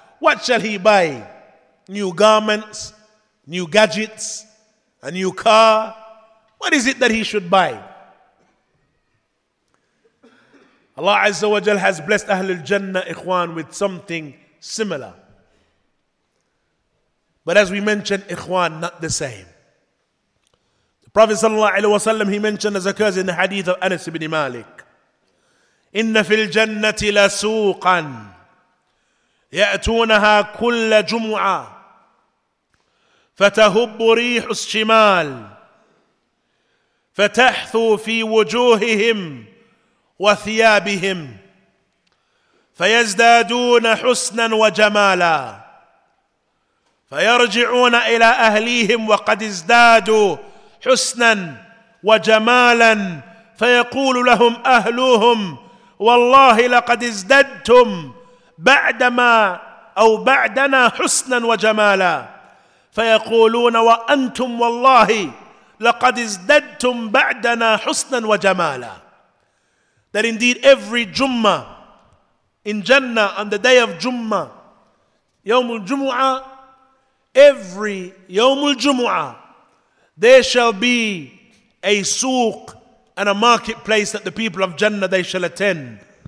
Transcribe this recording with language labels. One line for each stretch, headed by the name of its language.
English: What shall he buy? New garments, new gadgets, a new car? What is it that he should buy? Allah Azza wa Jal has blessed Ahlul Jannah, ikhwan, with something similar. But as we mentioned, ikhwan, not the same. The Prophet sallallahu alayhi wa sallam, he mentioned, as occurs in the hadith of Anas ibn Malik,
Arabic: إِنَّ فِي الْجَنَّةِ لَسُوقًا يَأْتُونَهَا كُلَّ جُمُعَةٍ فَتَهُبُّ رِيحُ الشِّمَالِ فَتَحْثُوا فِي وُجُوهِهِمْ وَثِيَابِهِمْ فَيَزْدَادُونَ حُسْنًا وَجَمَالًا فَيَرْجِعُونَ إِلَى أَهْلِهِمْ وَقَدْ ازْدَادُوا حُسْنًا وَجَمَالًا فَيَقُولُ لَهُمْ أَهْلُهُمْ وَاللَّهِ لَقَدْ ازْدَدْتُمْ بعدنا حسنا وجمالا فيقولون وأنتم والله لقد ازددتم بعدنا حسنا وجمالا.
English: That indeed every Jummah in Jannah, on the day of Jummah,
Arabic: يوم الجمعة,
English: every يوم الجمعة, there shall be a souq and a marketplace that the people of Jannah, they shall attend.